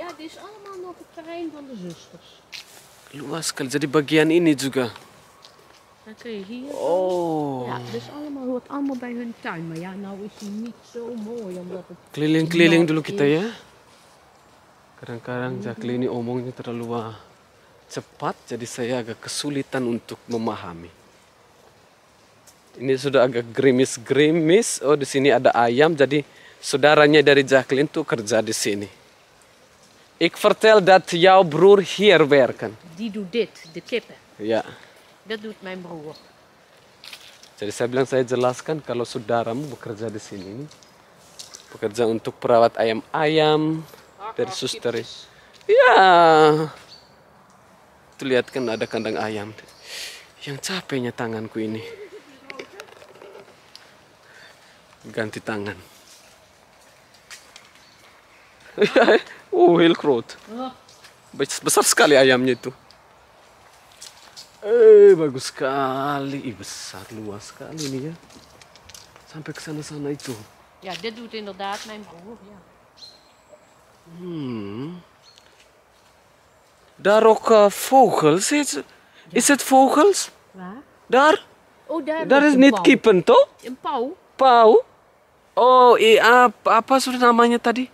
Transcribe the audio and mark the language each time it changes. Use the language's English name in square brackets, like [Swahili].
[Dutch] Ja, dit is allemaal nog het terrein van de zusters. [Indonesian] Luas sekali, jadi bagian ini juga. [Dutch] Dan kun je hier. Oh. Ja, dus allemaal hoort allemaal bij hun tuin, maar ja, nou is hij niet zo mooi omdat het. [Indonesian] Kliling-kliling dulu kita ya. Kadang-kadang Jacqueline omongnya terlalu cepat, jadi saya agak kesulitan untuk memahami. Ini sudah agak gerimis-gerimis. Oh, di sini ada ayam, jadi saudaranya dari Jacqueline tuh kerja di sini. [Dutch] Ik vertel dat jouw broer hier werken. Die doet dit, de kippen. Ja. Dat doet mijn broer. [Indonesian] Jadi saya bilang, saya jelaskan kalau saudaramu bekerja di sini. Bekerja untuk perawat ayam-ayam dari suster. Ya. Tuh lihat kan ada kandang ayam. Yang capeknya tanganku ini. Ganti tangan. [Dutch] heel groot. [Indonesian] Besar sekali ayamnya itu. Bagus sekali, besar, luas sekali ini ya. Sampai ke sana-sana itu. [Dutch] Ya, dit doet inderdaad mijn broer, ya. Daar ook vogels, is, ja. Is het vogels? Waar? Daar? Oh, daar. Daar is niet kippen, toch? Een pauw. Pauw? Oh, [Indonesian] apa sudah namanya tadi?